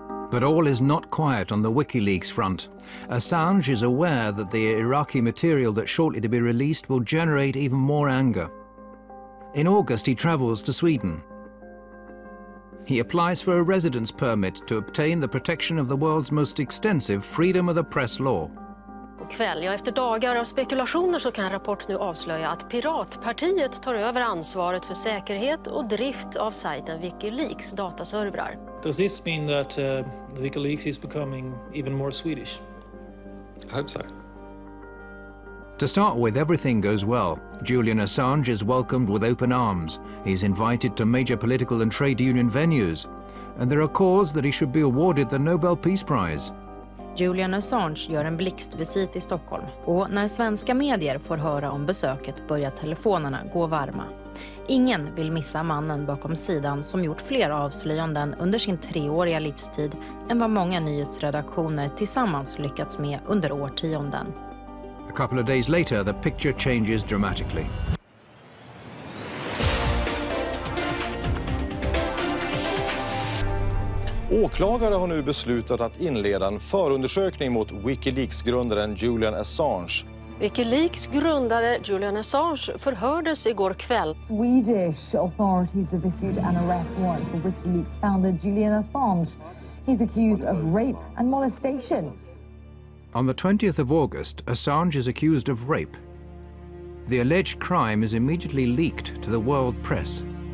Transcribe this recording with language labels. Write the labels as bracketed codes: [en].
[en] But all is not quiet on the WikiLeaks front. Assange is aware that the Iraqi material that's shortly to be released will generate even more anger. In August, he travels to Sweden. He applies for a residence permit to obtain the protection of the world's most extensive freedom of the press law. [sv] Kväll, ja, efter dagar av spekulationer så kan rapport nu avslöja att Piratpartiet tar över ansvaret för säkerhet och drift av sajten WikiLeaks dataservrar. [en] Does this mean that WikiLeaks is becoming even more Swedish? I hope so. To start with, everything goes well. Julian Assange is welcomed with open arms. He's invited to major political and trade union venues. And there are calls that he should be awarded the Nobel Peace Prize. [sv] Julian Assange gör en blixtvisit i Stockholm. Och när svenska medier får höra om besöket börjar telefonerna gå varma. Ingen vill missa mannen bakom sidan som gjort fler avslöjanden under sin treåriga livstid än vad många nyhetsredaktioner tillsammans lyckats med under årtionden. [en] A couple of days later, the picture changes dramatically. [sv] Åklagare har nu beslutat att inleda en förundersökning mot WikiLeaks-grundaren Julian Assange. WikiLeaks grundare Julian Assange förhördes igår kväll. [en] Swedish authorities have issued an arrest warrant for WikiLeaks founder Julian Assange. He's accused of rape and molestation. On the 20th of August, Assange is accused of rape. The alleged crime is immediately leaked to the world press.